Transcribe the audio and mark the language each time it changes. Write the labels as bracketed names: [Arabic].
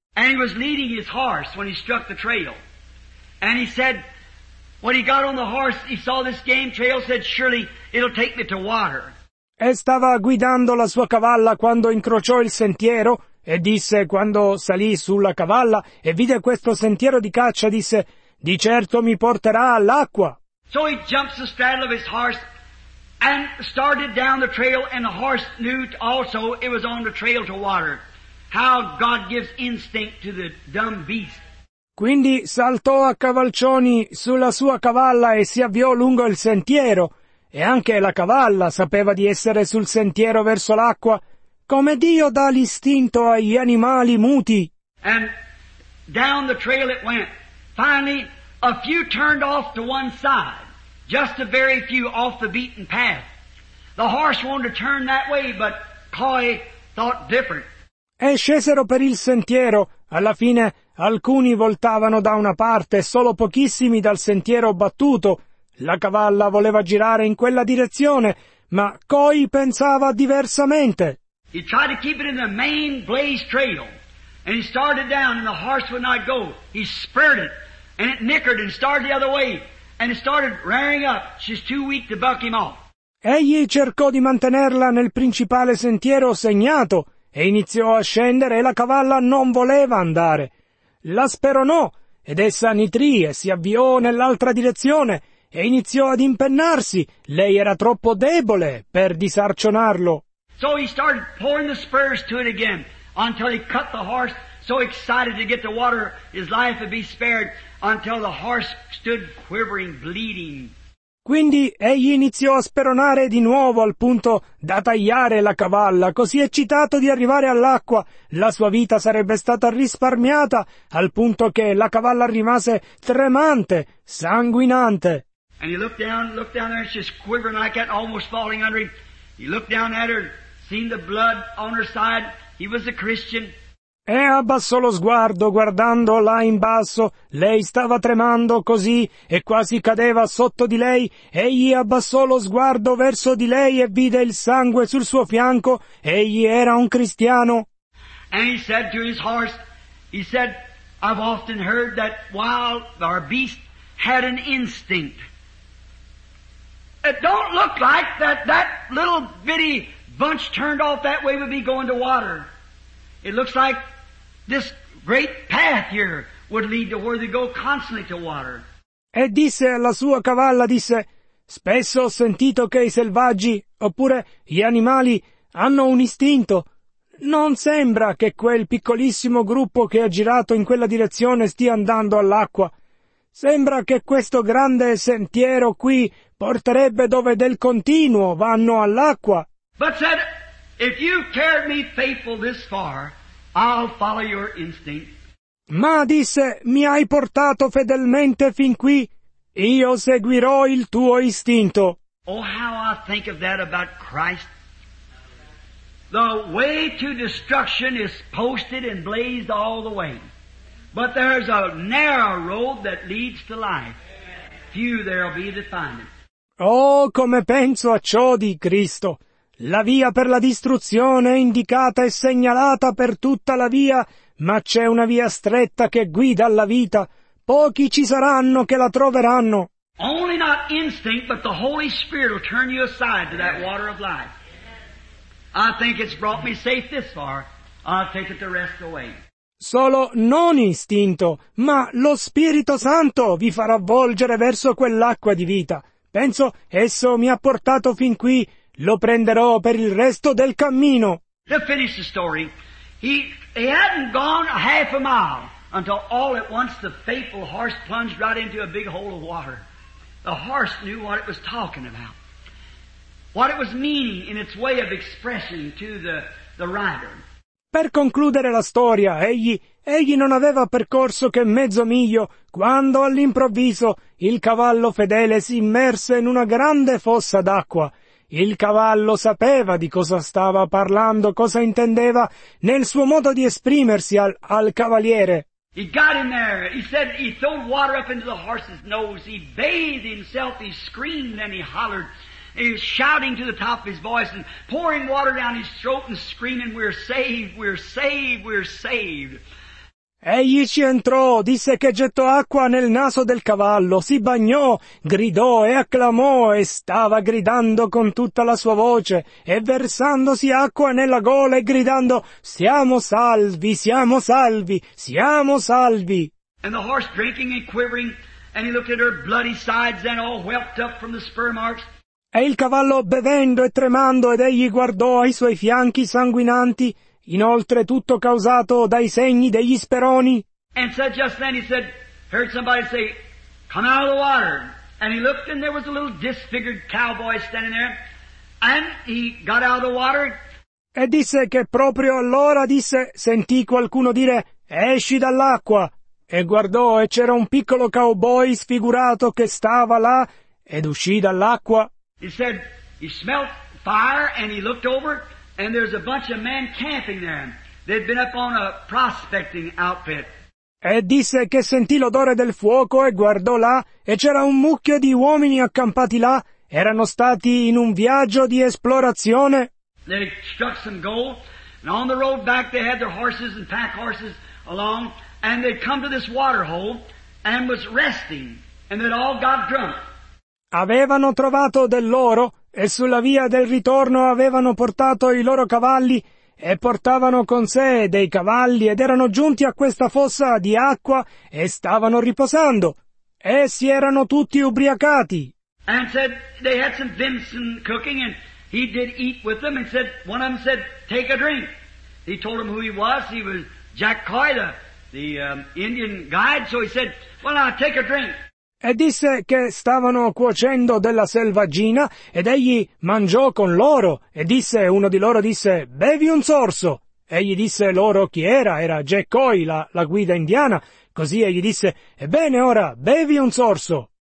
[English] And he was leading his horse when he struck the trail. And he said, when he got on the horse, he saw this game trail, said, surely it'll take me to water. [Italian] E stava guidando la sua cavalla quando incrociò il sentiero e disse, quando salì sulla cavalla e vide questo sentiero di caccia, disse, di certo mi porterà all'acqua. [English] So he jumps the straddle of his horse and started down the trail, and the horse knew also it was on the trail to water. How God gives instinct to the dumb beast. [Italian] Quindi saltò a cavalcioni sulla sua cavalla e si avviò lungo il sentiero, e anche la cavalla sapeva di essere sul sentiero verso l'acqua, come Dio dà l'istinto agli animali muti. [English] And down the trail it went. Finally, a few turned off to one side, just a very few off the beaten path. The horse wanted to turn that way, but Coy thought different. [Italian] E scesero per il sentiero. Alla fine, alcuni voltavano da una parte, solo pochissimi dal sentiero battuto. La cavalla voleva girare in quella direzione, ma Coy pensava diversamente. [English] He tried to keep it in the main blaze trail, and he started down, and the horse would not go. He spurred it, and it nickered and started the other way, and it started rearing up. She's too weak to buck him off. [Italian] Egli cercò di mantenerla nel principale sentiero segnato, e iniziò a scendere, e la cavalla non voleva andare. La speronò, ed essa nitrì, e si avviò nell'altra direzione, e iniziò ad impennarsi. Lei era troppo debole per disarcionarlo. [English] So he started pouring the spurs to it again, until he cut the horse, so excited to get the water, his life would be spared, until the horse stood quivering, bleeding. [Italian] Quindi egli iniziò a speronare di nuovo al punto da tagliare la cavalla, così eccitato di arrivare all'acqua. La sua vita sarebbe stata risparmiata al punto che la cavalla rimase tremante, sanguinante. [English] And he looked down there, she's quivering like that, almost falling under him. He looked down at her, seen the blood on her side. He was a Christian. [Italian] E abbassò lo sguardo, guardando là in basso. Lei stava tremando così e quasi cadeva sotto di lei. Egli abbassò lo sguardo verso di lei e vide il sangue sul suo fianco. Egli era un cristiano. [English] And he said to his horse, he said, I've often heard that while our beast had an instinct. It don't look like that little bitty bunch turned off that way would be going to water. It looks like this great path here would lead to where they go constantly to water. [Italian] E disse alla sua cavalla, disse, spesso ho sentito che i selvaggi, oppure gli animali, hanno un istinto. Non sembra che quel piccolissimo gruppo che ha girato in quella direzione stia andando all'acqua. Sembra che questo grande sentiero qui porterebbe dove del continuo vanno all'acqua. [English] But said, if you've carried me faithful this far, I'll follow your instinct. [Italian] Ma disse, mi hai portato fedelmente fin qui, io seguirò il tuo istinto. [English] Oh, how I think of that about Christ. The way to destruction is posted and blazed all the way. But there's a narrow road that leads to life. Few there'll be to find it. [Italian] Oh, come penso a ciò di Cristo. La via per la distruzione è indicata e segnalata per tutta la via, ma c'è una via stretta che guida alla vita. Pochi ci saranno che la troveranno. [English] Only not instinct, but the Holy Spirit will turn you aside to that water of life. I think it's brought me safe this far. I'll take it the rest away. [Italian] Solo non istinto, ma lo Spirito Santo vi farà volgere verso quell'acqua di vita. Penso esso mi ha portato fin qui. Lo prenderò per il resto del cammino. [English] To finish the story, he hadn't gone half a mile until all at once the faithful horse plunged right into a big hole of water. The horse knew what it was talking about, what it was meaning in its way of expression to the rider. [Italian] Per concludere la storia, egli non aveva percorso che mezzo miglio quando all'improvviso il cavallo fedele si immerse in una grande fossa d'acqua. Il cavallo sapeva di cosa stava parlando, cosa intendeva nel suo modo di esprimersi al cavaliere. [English] He got in there. He said he threw water up into the horse's nose. He bathed himself. He screamed and he hollered. He was shouting to the top of his voice and pouring water down his throat and screaming, "We're saved! We're saved! We're saved!" [Italian] Egli ci entrò, disse che gettò acqua nel naso del cavallo, si bagnò, gridò e acclamò e stava gridando con tutta la sua voce e versandosi acqua nella gola e gridando, "Siamo salvi, siamo salvi, siamo salvi!" [English] And the horse drinking and quivering, and he looked at her bloody sides and all whelped up from the spur marks. [Italian] E il cavallo bevendo e tremando ed egli guardò ai suoi fianchi sanguinanti, inoltre tutto causato dai segni degli speroni. [English] And said just then he said, heard somebody say, "Come out of the water." And he looked and there was a little disfigured cowboy standing there. And he got out of the water. [Italian] E disse che proprio allora sentì qualcuno dire, "Esci dall'acqua." E guardò e c'era un piccolo cowboy sfigurato che stava là ed uscì dall'acqua. [English] He said he smelt fire and he looked over and there's a bunch of men camping there. They'd been up on a prospecting outfit. [Italian] E disse che sentì l'odore del fuoco e guardò là e c'era un mucchio di uomini accampati là. Erano stati in un viaggio di esplorazione. [English] They struck some gold and on the road back they had their horses and pack horses along and they'd come to this water hole and was resting and they'd all got drunk. [Italian] Avevano trovato dell'oro e sulla via del ritorno avevano portato i loro cavalli e portavano con sé dei cavalli ed erano giunti a questa fossa di acqua e stavano riposando. Essi erano tutti ubriacati. [English] And said they had some venison cooking and he did eat with them and said one of them said take a drink. He told them who he was Jack Coida, the Indian guide, so he said, "Well now take a drink." [Italian] E disse che stavano cuocendo della selvaggina ed egli mangiò con loro e disse uno di loro disse "Bevi un sorso." Egli disse loro chi era Jack Coy, la guida indiana. Così egli disse "Ebbene ora bevi un sorso."